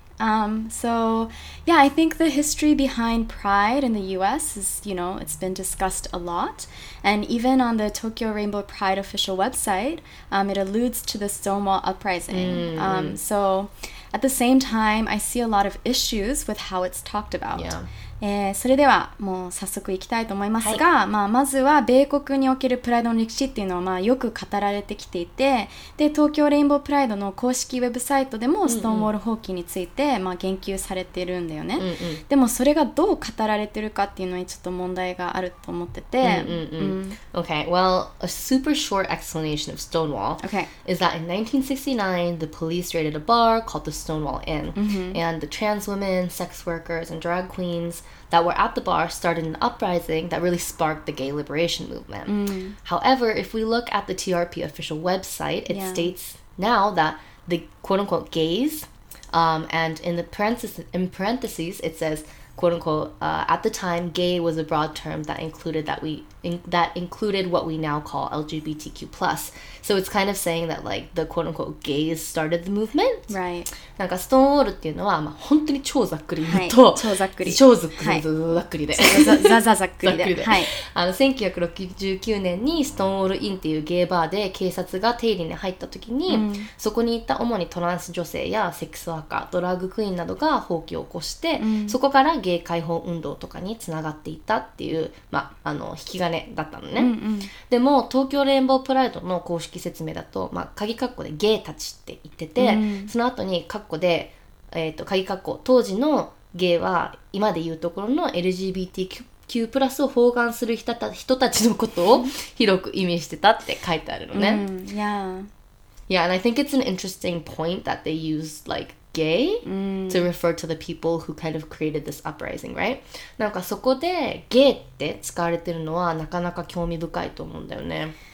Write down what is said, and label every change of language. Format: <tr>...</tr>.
<en>I think the history behind Pride in the U.S. is, you know, it's been discussed a lot. And even on the Tokyo Rainbow Pride official website, it alludes to the Stonewall Uprising. Mm. So at the same time, I see a lot of issues with how it's talked about. Yeah.</en> <ja>それではもう早速行きたいと思いますが、はい、まあ、まずは米国におけるプライドの歴史っていうのはまあよく語られてきていて、で東京レインボープライドの公式ウェブサイトでもストーンウォール放棄についてまあ言及されているんだよね、うんうん、でもそれがどう語られてるかっていうのにちょっと問題があると思ってて、</ja> <en>うんうんうんうん、Okay, well, a super short explanation of Stonewall、 okay. is that in 1969, the police raided a bar called the Stonewall Inn、 mm-hmm. and the trans women, sex workers, and drag queensthat were at the bar started an uprising that really sparked the gay liberation movement. Mm. However, if we look at the TRP official website, it、yeah. states now that the quote-unquote gays,、and in parentheses, it says, quote-unquote,、at the time, gay was a broad term that included, that included what we now call LGBTQ+. So it's kind of saying that, like, the quote-unquote gays started the movement. Right.</en> <ja>なんかストーンウォールっていうのは、まあ、本当に超ざっくり言うと、はい、超ざっくり。超ざっくり、はい、ざっくりで。ざっくりで。はい。あの、1969年にストーンウォールインっていうゲイバーで警察が定理に入った時に、うん、そこにいた主にトランス女性やセックスワーカー、ドラッグクイーンなどが蜂起を起こして、うん、そこからゲイ解放運動とかにつながっていたっていう、まあ、あの、引き金だったのね、うんうん、でも東京レインボープライドの公式説明だと、まあ、鍵括弧でゲイたちって言ってて、うん、その後に括弧で、鍵括弧当時のゲイは今で言うところの LGBTQ+ を包含する人たちのことを広く意味してたって書いてあるのね、うん、</ja> <en>Yeah, and I think it's an interesting point that they use like gay、</en> <ja>うん、</ja> <en>to refer to the people who kind of created this uprising, right?</en> <ja>なんかそこでゲイって使われてるのはなかなか興味深いと思うんだよね。</ja>